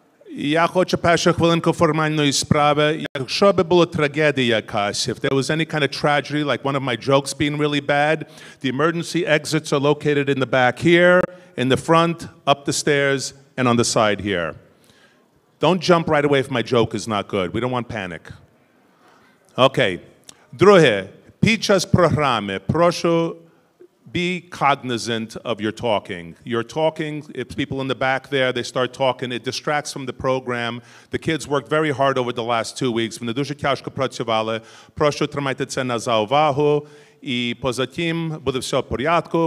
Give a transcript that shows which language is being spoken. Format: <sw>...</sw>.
<uk>Я хочу першу хвилинку формальної справи. Якщо би була трагедія якась,</uk> <en>if there was any kind of tragedy, like one of my jokes being really bad, the emergency exits are located in the back here, in the front, up the stairs, and on the side here. Don't jump right away if my joke is not good. We don't want panic. Okay.</en> <uk>Друге, під час програми, прошу</uk> <en>be cognizant of your talking. You're talking, if people in the back there, they start talking, it distracts from the program. The kids worked very hard over the last 2 weeks.</en> <uk>Вони дуже тяжко працювали. Прошу тримайте це на заувагу. І поза тим, буде все в порядку.</uk>